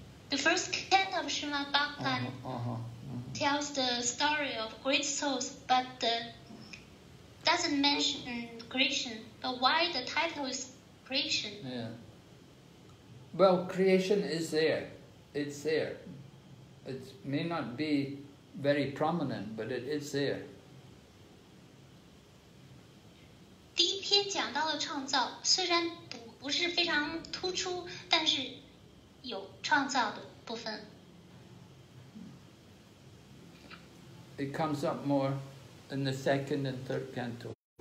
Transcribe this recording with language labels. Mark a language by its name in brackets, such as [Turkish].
[English] The first canto of Srimad Bhagavatam tells the story of great souls, but doesn't mention creation. But why the title is creation? Yeah. Well, creation is there. It's there. It may not be very prominent, but it is there. [Chinese] 第一篇讲到了创造，虽然不是非常突出，但是有创造的部分。 [English] It comes up more in the second and third canto.